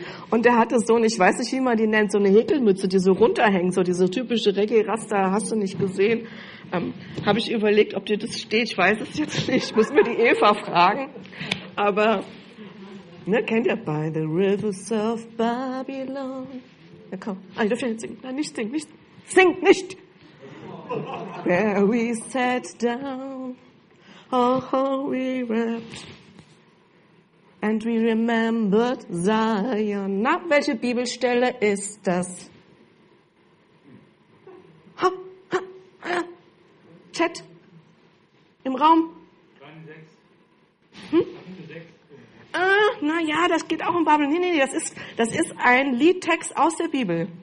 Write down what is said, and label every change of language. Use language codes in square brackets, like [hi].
[de] Und der hatte so eine, ich weiß nicht, wie man die nennt, so eine Häkelmütze, die so runterhängt, so diese typische Reggae-Raster, hast du nicht gesehen. Habe ich überlegt, ob dir das steht, ich weiß es jetzt nicht, ich muss mir die Eva fragen. Aber, ne, kennt ihr? [en] By the rivers of Babylon. [de] Ja, komm, ah, ich darf ja nicht singen, nein, nicht singen, nicht singen. Sing nicht! [en] Where we sat down, oh, we wept, and we remembered Zion. [de] Na, welche Bibelstelle ist das? Ha, ha, ha. Chat? Im Raum? Kapitel 6. Ah, na ja, das geht auch um Babel. Nee, nee, das ist ein Liedtext aus der Bibel.